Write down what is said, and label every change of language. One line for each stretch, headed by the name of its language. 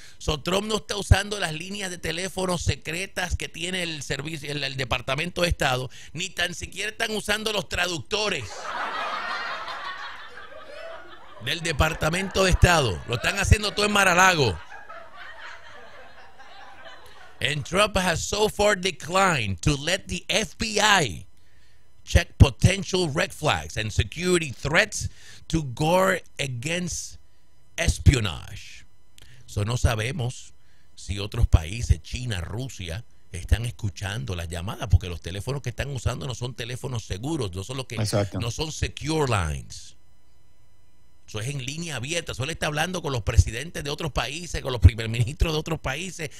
Spanish: So Trump no está usando las líneas de teléfono secretas que tiene el servicio, el Departamento de Estado, ni tan siquiera están usando los traductores del Departamento de Estado. Lo están haciendo todo en Mar-a-Lago.
English: And Trump has so far declined to let the FBI check potential red flags and security threats to guard against espionage.
Spanish: So no sabemos si otros países, China, Rusia, están escuchando las llamadas, porque los teléfonos que están usando no son teléfonos seguros, no son los que, no son
English: secure lines.
Spanish: Eso es en línea abierta. Solo está hablando con los presidentes de otros países, con los primer ministros de otros países.